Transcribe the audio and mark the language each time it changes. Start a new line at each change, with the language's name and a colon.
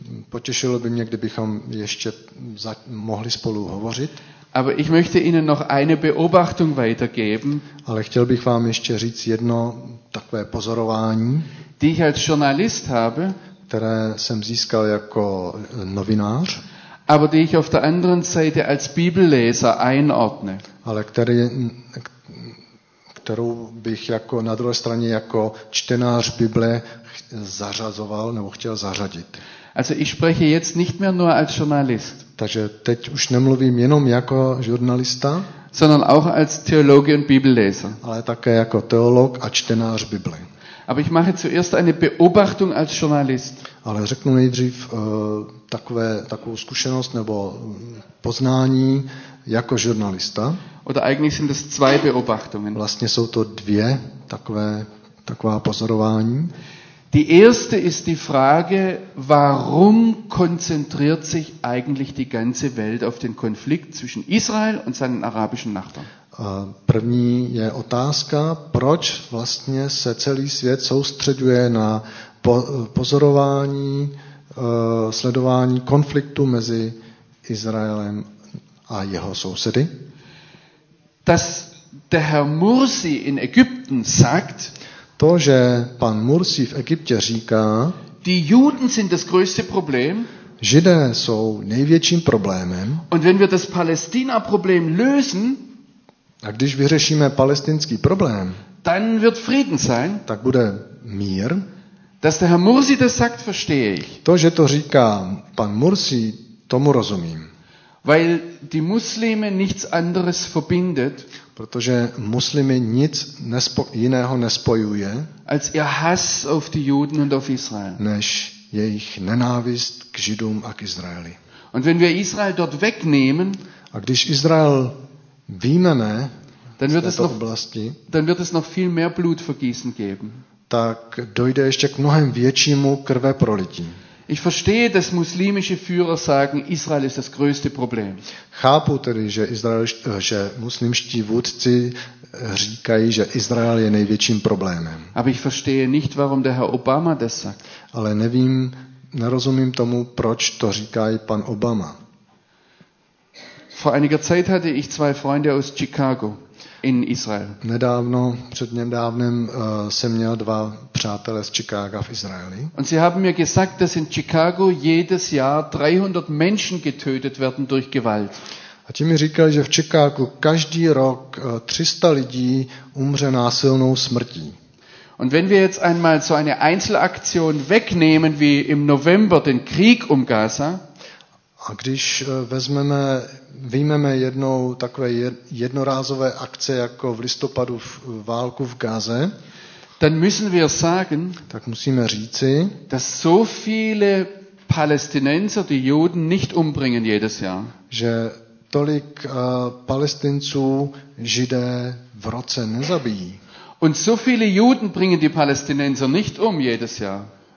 Czech: Potěšilo by mě, kdybychom ještě mohli spolu hovořit.
German: Aber ich möchte Ihnen noch eine Beobachtung weitergeben.
Czech: Ale chtěl bych vám ještě říct jedno takové pozorování,
German: die ich als Journalist habe,
Czech: které jsem získal jako novinář,
German: aber die ich auf der anderen Seite als Bibelleser einordne.
Czech: Ale kterou bych jako na druhé straně jako čtenář Bible zařazoval nebo chtěl zařadit.
German: Also ich spreche jetzt nicht mehr nur als Journalist.
Czech: Takže teď už nemluvím jenom jako žurnalista,
German: sondern auch als Theologe und Bibelleser.
Czech: Ale také jako teolog a čtenář Bible.
German: Aber ich mache zuerst eine Beobachtung als Journalist.
Czech: Ale řeknu nejdřív takovou zkušenost nebo poznání jako žurnalista.
German: Oder eigentlich sind es zwei Beobachtungen.
Czech: Vlastně jsou to dvě taková pozorování.
German: Die erste ist die Frage, warum konzentriert sich eigentlich die ganze Welt auf den Konflikt zwischen Israel und seinen arabischen Nachbarn?
Czech: První je otázka, proč vlastně se celý svět soustředuje na pozorování, sledování konfliktu mezi Izraelem a jeho sousedy?
German: Dass der Herr Mursi in Ägypten sagt,
Czech: to, že pan Mursi v Egyptě říká,
German: die Juden sind das größte Problem,
Czech: Židé jsou největším problémem,
German: und wenn wir das Palästina-Problem lösen,
Czech: A když vyřešíme palestinský problém,
German: dann wird Frieden sein.
Czech: Tak bude mír.
German: Dass der Herr Mursi das sagt, verstehe ich.
Czech: To, že to říká pan Mursi, tomu rozumím.
German: Weil die Muslime nichts anderes verbindet.
Czech: Protože muslimy nic jiného nespojuje.
German: Als ihr Hass auf die Juden und auf Israel.
Czech: Než jejich nenávist k Židům a k Izraeli.
German: Und wenn wir Israel dort wegnehmen,
Czech: a když Izrael vyjmeme,
German: dann wird es noch
Czech: oblasti,
German: dann wird es noch viel mehr Blutvergießen geben.
Czech: Tak dojde ještě k mnohem většímu krveprolití.
German: Ich verstehe, dass muslimische Führer sagen, Israel ist das größte Problem.
Czech: Chápu tedy, že muslimští vůdci říkají, že Izrael je největším problémem.
German: Aber ich verstehe nicht, warum der Herr Obama das sagt.
Czech: Ale nevím, nerozumím tomu, proč to říká pan Obama.
German: Vor einiger Zeit hatte ich zwei Freunde aus Chicago in Israel.
Czech: Nedávno, před nedávnem, jsem měl dva přátelé z Chicaga v Izraeli.
German: Und sie haben mir gesagt, dass in Chicago jedes Jahr 300 Menschen getötet werden durch Gewalt.
Czech: A ti mi říkali, že v Chicagu každý rok 300 lidí umře násilnou smrtí.
German: Und wenn wir jetzt einmal so eine Einzelaktion wegnehmen wie im November den Krieg um Gaza,
Czech: a když vezmeme, vyjmeme jednou takové jednorázové akce jako v listopadu v válku v Gaze,
German: dann müssen wir sagen,
Czech: tak musíme říci,
German: dass so viele Palästinenser die Juden nicht umbringen jedes Jahr,
Czech: že tolik Palestinců Židé v roce nezabijí.
German: Und so viele Juden bringen die Palästinenser nicht um jedes Jahr.